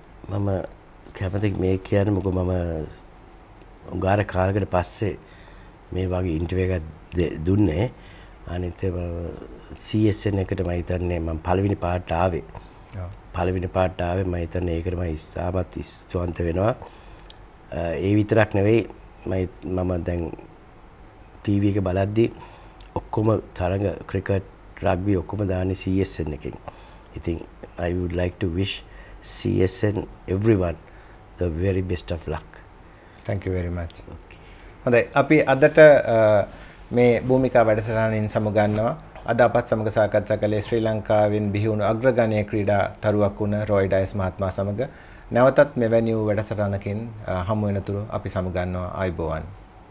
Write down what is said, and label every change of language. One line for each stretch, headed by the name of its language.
Sinhala: මම කැමති මේ කියන්නේ මොකද මම උගාර කාලකට පස්සේ මේ වගේ ඉන්ටර්වියු එකක් දුන්නේ අනිත් CSN එකට මම හිතන්නේ මම පළවෙනි පාට ආවේ. පළවෙනි පාට ආවේ මම හිතන්නේ ඒකට මම ඉස්සාවත් ස්තුවන්ත වෙනවා. ඒ විතරක් නෙවෙයි මම දැන් TV එක බලද්දී ඔක්කොම තරඟ ක්‍රිකට් රග්බි ඔක්කොම දාන්නේ CSN එකෙන්.
English: ඉතින් I would like to wish CSN everyone the very best of luck. Thank you very much.
Sinhala: හොඳයි අපි අදට මේ භූමිකා වැඩසටහනින් සමු ගන්නවා. අද අපත් සමග සාකච්ඡා කළේ ශ්‍රී ලංකාවෙන් බිහිවුණු අග්‍රගණ්‍ය ක්‍රීඩා තරුවක් වුණ රොයි ඩයස් මහත්මයා සමග. නැවතත් මෙවැනි වූ වැඩසටහනකින් හමු වෙනතුරු අපි සමු ගන්නවා. ආයුබෝවන්.